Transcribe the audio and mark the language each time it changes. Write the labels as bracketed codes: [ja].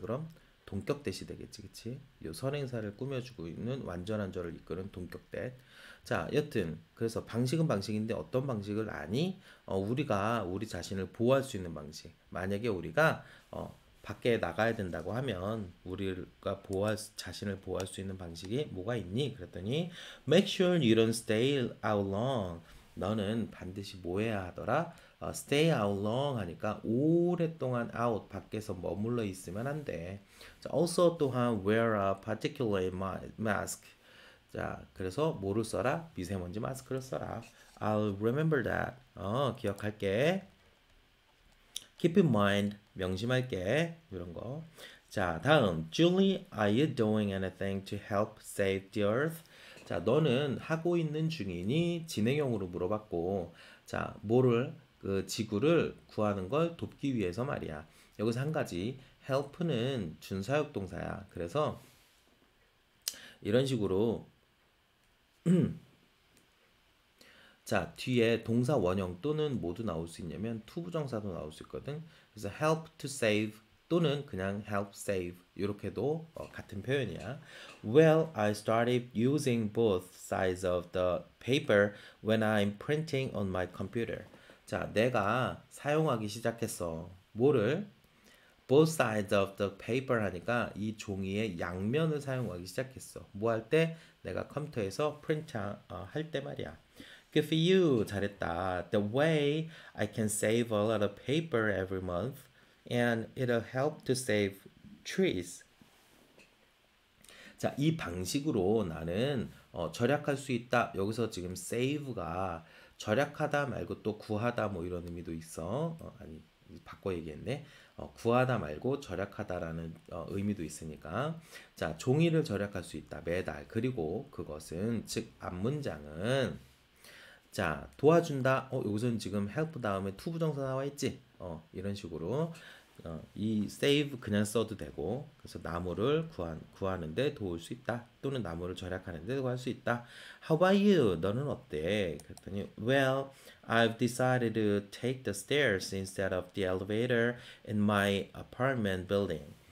[ko] 그럼 동격 대시 되겠지, 그치? 요 선행사를 꾸며주고 있는 완전한 절을 이끄는 동격 대. 자, 여튼 그래서 방식은 방식인데 어떤 방식을 아니? 우리가 우리 자신을 보호할 수 있는 방식. 만약에 우리가 밖에 나가야 된다고 하면 우리가 자신을 보호할 수 있는 방식이 뭐가 있니? 그랬더니 [en] Make sure you don't stay out long. [ko] 너는 반드시 뭐 해야 하더라? [en] Stay out long [ko] 하니까 오랫동안 out 밖에서 머물러 있으면 안 돼. [en] Also [ko] 또한 [en] wear a particular mask. [ko] 자, 그래서 뭐를 써라? 미세먼지 마스크를 써라. [en] I'll remember that. [ko] 기억할게. [en] Keep in mind. [ko] 명심할게. 이런 거. 자, 다음. [en] Julie, are you doing anything to help save the earth? [ko] 자, 너는 하고 있는 중이니? 진행형으로 물어봤고. 자, 뭐를? 그 지구를 구하는 걸 돕기 위해서 말이야. 여기서 한 가지. Help는 준사역 동사야. 그래서 이런 식으로 자, 뒤에 동사 원형 또는 모두 나올 수 있냐면 to 부정사도 나올 수 있거든. 그래서 help to save 또는 그냥 help save 이렇게도 같은 표현이야. [en] Well, I started using both sides of the paper when I'm printing on my computer. [ko] 자, 내가 사용하기 시작했어. 뭐를? [en] Both sides of the paper [ko] 하니까 이 종이의 양면을 사용하기 시작했어. 뭐할 때? 내가 컴퓨터에서 할때 말이야. [en] Good for you. [ko] 잘했다. [en] The way I can save a lot of paper every month and it'll help to save trees. [ko] 자, 이 방식으로 나는 절약할 수 있다. 여기서 지금 save가 절약하다 말고 또 구하다 뭐 이런 의미도 있어. 아니, 바꿔 얘기했네. 구하다 말고 절약하다라는 의미도 있으니까. 자, 종이를 절약할 수 있다. 매달. 그리고 그것은, 즉, 앞문장은, 자, 도와준다. 여기서는 지금 help 다음에 to 부정사 나와 있지? 이런 식으로. 이 save 그냥 써도 되고, 그래서 나무를 구하는데 도울 수 있다. 또는 나무를 절약하는데 도울 수 있다. [en] How about you? [ko] 너는 어때? 그랬더니, [en] Well, I've decided to take the stairs instead of the elevator in my apartment building.